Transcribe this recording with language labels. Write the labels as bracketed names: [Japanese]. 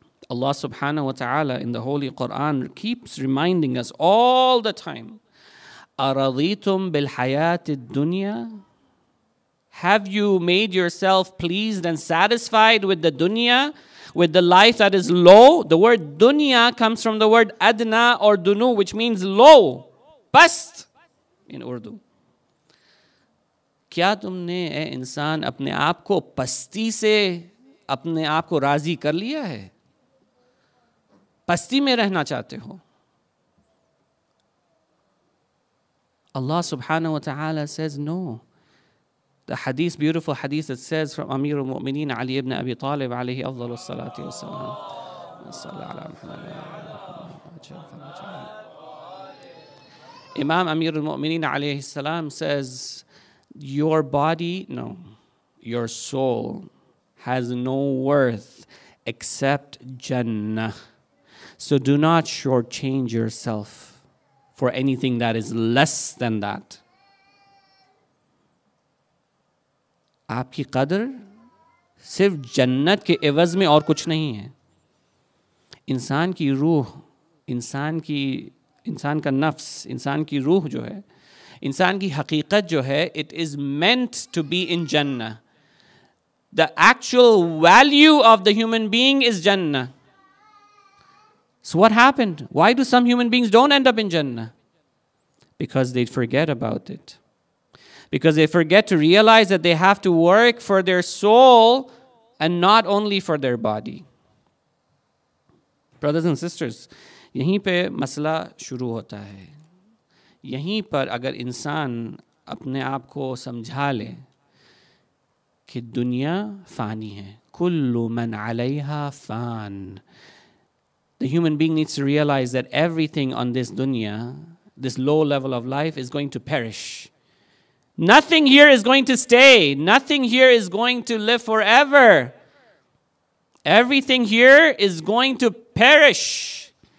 [English] Allah subhanahu wa ta'ala in the Holy Quran keeps reminding us all the time, [Arabic] أَرَضِيتُم بِالْحَيَاةِ الدُّنْيَا. [English] Have you made yourself pleased and satisfied with the dunya, with the life that is low? The word dunya comes from the word adna or dunu, which means low, past in Urdu. [Urdu] کیا تمنے اے انسان اپنے آپ کو پستی سے اپنے آپ کو راضی کر لیا ہے؟ پستی میں رہنا چاہتے ہو؟ [English] Allah subhanahu wa ta'ala says no. The hadith, beautiful hadith that says from Amir al-Mu'mineen Ali ibn Abi Talib alayhi afdalu salati wa salam. Imam Amir al-Mu'mineen alayhi salam says, your body, no, your soul has no worth except Jannah. So do not shortchange yourself for anything that is less than that. [Urdu] آپکی قدر صرف جنت کے عوض میں اور کچھ نہیں ہے۔ انسان کی روح، انسان کا نفس، انسان کی روح جو ہے، انسان کی حقیقت جو ہے، [English] it is meant to be in Jannah. The actual value of the human being is Jannah. So what happened? Why do some human beings don't end up in Jannah? Because they forget about it. Because they forget to realize that they have to work for their soul and not only for their body. Brothers and sisters, [Urdu] یہیں پہ مسئلہ شروع ہوتا ہے۔ یہیں پر اگر انسان اپنے آپ کو سمجھا لے کہ دنیا فانی ہے۔ [Arabic] Kullu man alaiha fan. [English] The human being needs to realize that everything on this dunya, this low level of life, is going to perish. Nothing here is going to stay. Nothing here is going to live forever. Everything here is going to perish.